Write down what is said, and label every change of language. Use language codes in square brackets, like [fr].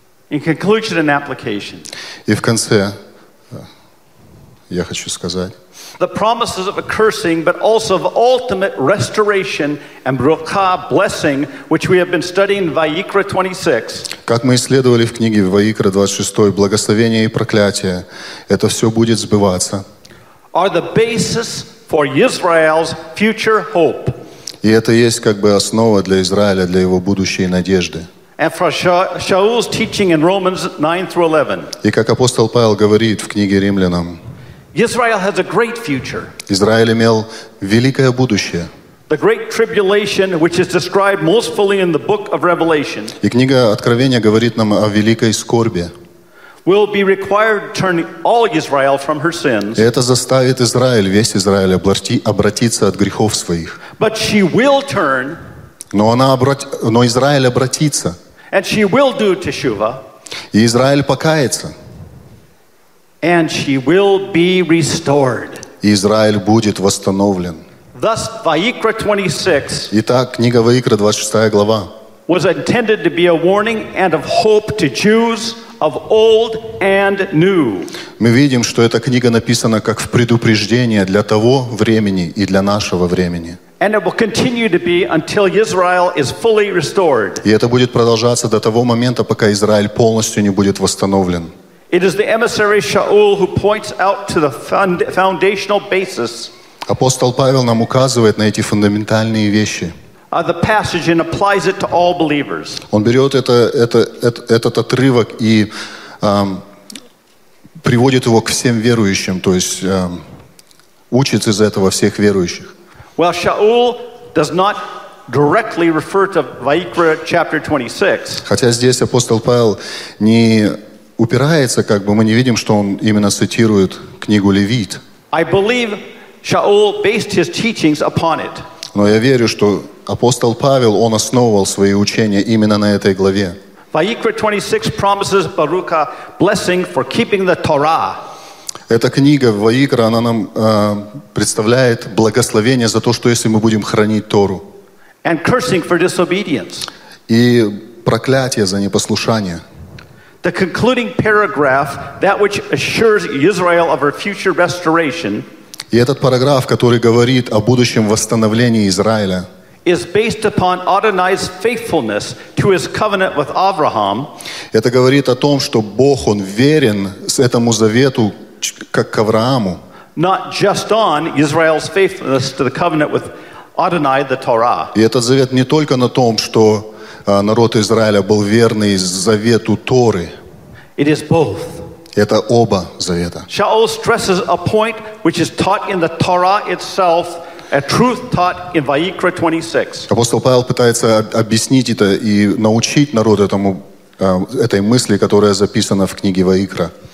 [en] In conclusion and application. [ru] И в конце я хочу сказать. [en] The promises of a cursing, but also of ultimate restoration and brachah blessing, which we have been studying in Vayikra 26. [ru] Как мы исследовали в книге Ваикра 26, благословение и проклятие, это все будет сбываться. [en] Are the basis for Israel's future hope. [ru] И это есть как бы основа для Израиля, для его будущей надежды. [en] And from Shaul's teaching in Romans 9 through 11. [ru] И как апостол Павел говорит в книге Римлянам. [en] Israel has a great future. [ru] Израиль имел великое будущее. [en] The great tribulation, which is described most fully in the book of Revelation. [ru] И книга Откровения говорит нам о великой скорби. [en] Will be required to turn all Israel from her sins. [ru] И это заставит Израиль, весь Израиль, обратиться от грехов своих. [en] But she will turn. [ru] Но Израиль обратится. [en] And she will do teshuva. [ru] И Израиль покается. [en] And she will be restored. [ru] И Израиль будет восстановлен. [en] Thus, Vayikra 26. [ru] Итак, книга Ваикра 26 глава. [en] Was intended to be a warning and of hope to Jews of old and new. [ru] Мы видим, что эта книга написана как в предупреждение для того времени и для нашего времени. [en] And it will continue to be until Israel is fully restored. [ru] И это будет продолжаться до того момента, пока Израиль полностью не будет восстановлен. [en] It is the emissary Shaul who points out to the foundational basis. [ru] Апостол Павел нам указывает на эти фундаментальные вещи. [en] The passage and applies it to all believers. [ru] Он берет этот отрывок и приводит его к всем верующим, то есть учит из этого всех верующих. [en] Well, Shaul does not directly refer to Vayikra chapter 26. [ru] Хотя здесь апостол Павел не упирается, как бы мы не видим, что он именно цитирует книгу Левит. [en] I believe Shaul based his teachings upon it. [ru] Но я верю, что апостол Павел, он основывал свои учения именно на этой главе. [en] Vayikra 26 promises Baruka blessing for keeping the Torah. [ru] Эта книга Ваикра, она нам представляет благословение за то, что если мы будем хранить Тору. [en] And cursing for disobedience. [ru] И проклятие за непослушание. [en] The concluding paragraph, that which assures Israel of her future restoration. [ru] И этот параграф, который говорит о будущем восстановлении Израиля, [en] is based upon Adonai's faithfulness to his covenant with Abraham. [ru] Это говорит о том, что Бог, он верен этому завету, как к Аврааму. [en] Not just on Israel's faithfulness to the covenant with Adonai, the Torah. [ru] И этот завет не только на том, что народ Израиля был верный завету Торы. [en] It is both. [ru] Это оба завета. [en] Shaul stresses a point which is taught in the Torah itself, a truth taught in Vayikra 26. [ru] Апостол Павел пытается объяснить это и научить народ этому этой мысли, которая записана в книге Ваикра.